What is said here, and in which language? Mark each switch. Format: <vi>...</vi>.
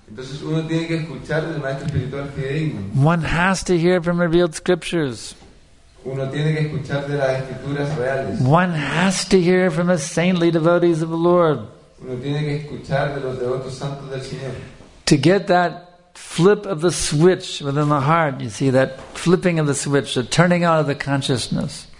<es>Entonces uno tiene que escuchar del maestro espiritual que digno.</es> <en>One has to hear from revealed scriptures.</en> <es>Uno tiene que escuchar de las escrituras reales.</es> <en>One has to hear from the saintly devotees of the Lord.</en> <es>Uno tiene que escuchar de los devotos santos del Señor.</es> <en>To get that flip of the switch within the heart, you see, that flipping of the switch, the turning out of the consciousness.</en>